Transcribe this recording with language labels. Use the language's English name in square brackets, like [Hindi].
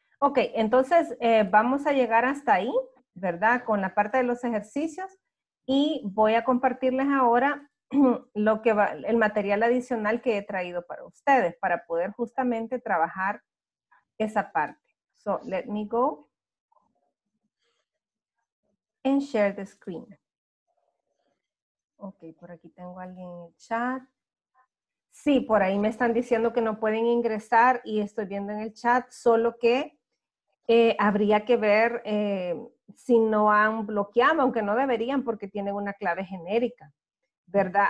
[Spanish] Ok, entonces vamos a llegar hasta ahí, ¿verdad? Con la parte de los ejercicios y voy a compartirles ahora lo que va, el material adicional que he traído para ustedes para poder justamente trabajar esa parte. [English] So, let me go and share the screen. [Spanish] Ok, por aquí tengo a alguien en el chat. Sí, por ahí me están diciendo que no pueden ingresar y estoy viendo en el chat, solo que habría que ver si no han bloqueado, aunque no deberían porque tienen una clave genérica, ¿verdad?